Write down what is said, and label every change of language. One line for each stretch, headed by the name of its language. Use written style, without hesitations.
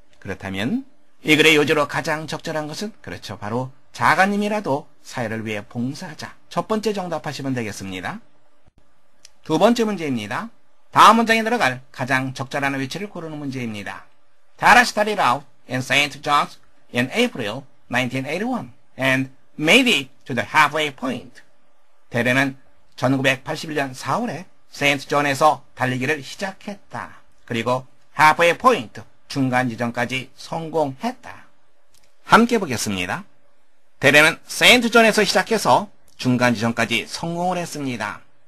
Korean: 그렇다면 이 글의 요지로 가장 적절한 것은 그렇죠. 바로 작은 힘이라도 사회를 위해 봉사하자. 첫 번째 정답하시면 되겠습니다. 두 번째 문제입니다. 다음 문장에 들어갈 가장 적절한 위치를 고르는 문제입니다.
English: Tara started out in St. John's in April 1981 and made it to the halfway point.
Korean: 테레는 1981년 4월에 St. John에서 달리기를 시작했다. 그리고 halfway point, 중간 지점까지 성공했다. 함께 보겠습니다. 테레는 St. John에서 시작해서 중간 지점까지 성공을 했습니다.